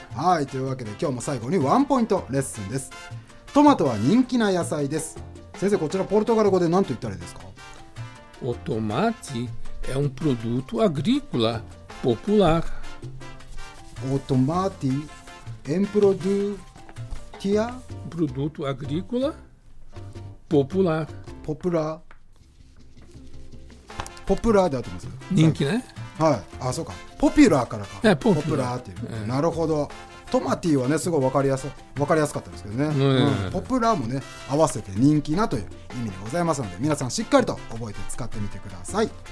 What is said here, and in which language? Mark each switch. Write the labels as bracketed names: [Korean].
[Japanese] はい、というわけで今日も最後にワンポイントレッスンです。トマトは人気な野菜です。先生、こちらポルトガル語で何と言ったらいいですか？ [Portuguese] おトマチエンプロドゥトアグリコラポプラー。 O tomate é um produto agrícola popular. Popular. [Japanese] Popular であってますか？人気ね。はい。あ、そうか。 Popular からか。 [Portuguese] Popular [Japanese] っていう。なるほど。トマティはね、すごい分かりやすかったですけどね。Popular もね、合わせて人気なという意味でございますので、皆さんしっかりと覚えて使ってみてください。